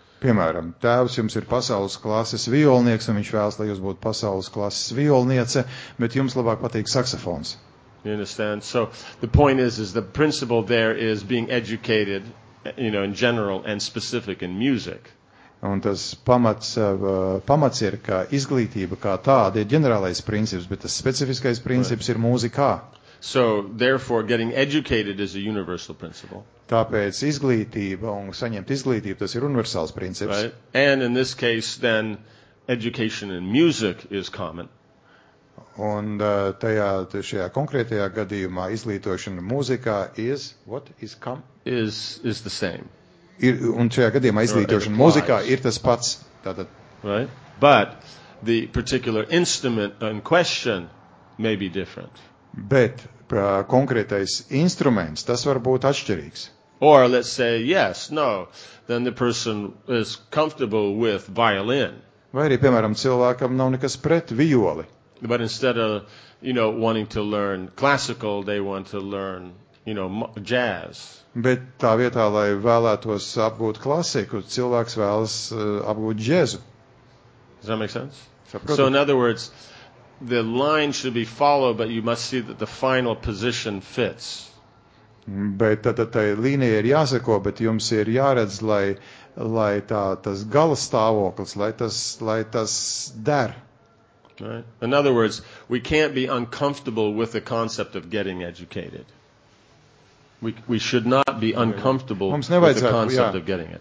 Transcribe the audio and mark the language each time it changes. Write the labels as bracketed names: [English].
[Latvian] Piemēram, tēvs jums ir pasaules klases violnieks, un viņš vēlas, lai jūs būtu pasaules klases violniece, bet jums labāk patīk saksofons. [English] You understand? So the point is the principle there is being educated, you know, in general and specific in music. [Latvian] Un tas pamats ir, ka izglītība kā tāda ir ģenerālais princips, bet tas specifiskais princips right. ir mūzikā. [English] So therefore, getting educated is a universal principle. [Latvian] Tāpēc izglītība un saņemt izglītību, tas ir universāls princips. [English] Right? And in this case, then, education in music is common. [Latvian] Un tajā, šajā konkrētajā gadījumā izglītošana mūzikā [English] is what is come? Is the same. [Latvian] Ir, un šajā gadījumā izglītošana mūzikā ir tas pats. Tātad. [English] Right? But the particular instrument in question may be different. [Latvian] Bet konkrētais instruments, tas var būt atšķirīgs. [English] Or let's say yes, no, then the person is comfortable with violin. [Latvian] Vai arī, piemēram, cilvēkam nav nekas pret violi. [English] But instead of, you know, wanting to learn classical, they want to learn, you know, jazz. [Latvian] Bet tā vietā, lai vēlētos apgūt klasiku, cilvēks vēlas apgūt džezu. [English] Does that make sense? So in other words, the line should be followed, but you must see that the final position fits. [Latvian] Bet tad tā līnija ir jāseko, bet jums ir jāredz, lai tā tas gala stāvoklis, lai tas der. [English] Right. In other words, we can't be uncomfortable with the concept of getting educated. We should not be uncomfortable with the concept of getting it.